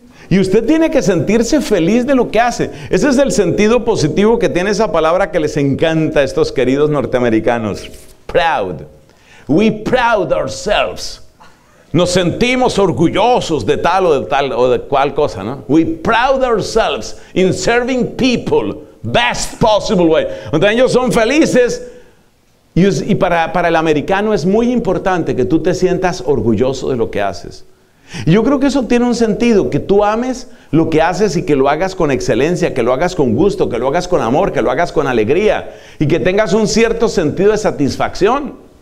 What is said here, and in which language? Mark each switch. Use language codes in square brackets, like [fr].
[es] Y usted tiene que sentirse feliz de lo que hace. Ese es el sentido positivo que tiene esa palabra que les encanta a estos queridos norteamericanos. Proud. [en] We proud ourselves. [es] Nos sentimos orgullosos de tal o de tal o de cual cosa, ¿no? [en] We proud ourselves in serving people best possible way. [es] Entonces ellos son felices. Y para el americano es muy importante que tú te sientas orgulloso de lo que haces. Y yo creo que eso tiene un sentido, que tú ames lo que haces y que lo hagas con excelencia, que lo hagas con gusto, que lo hagas con amor, que lo hagas con alegría y que tengas un cierto sentido de satisfacción.